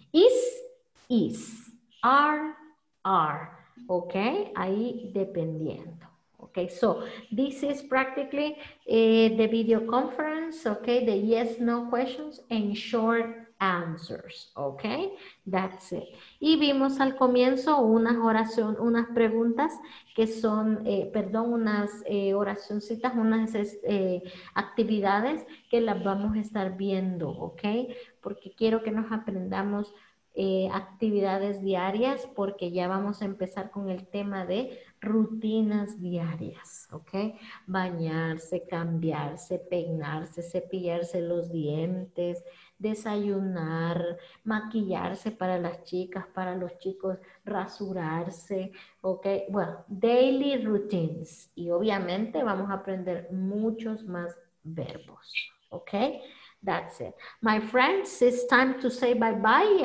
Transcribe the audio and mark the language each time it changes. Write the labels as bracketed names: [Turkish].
[English] Is, is. Are. Ok, [Spanish] ahí dependiendo. [English] Ok, so this is practically the video conference, ok, the yes, no questions and short answers, ok, that's it. [Spanish] Y vimos al comienzo unas oraciones, unas preguntas que son, oracioncitas, unas actividades que las vamos a estar viendo, ok, porque quiero que nos aprendamos actividades diarias porque ya vamos a empezar con el tema de rutinas diarias, ok, bañarse, cambiarse, peinarse, cepillarse los dientes, desayunar, maquillarse para las chicas, para los chicos, rasurarse, ok, bueno, [English] daily routines, [Spanish] y obviamente vamos a aprender muchos más verbos, ok, that's it. [English] My friends, it's time to say bye bye.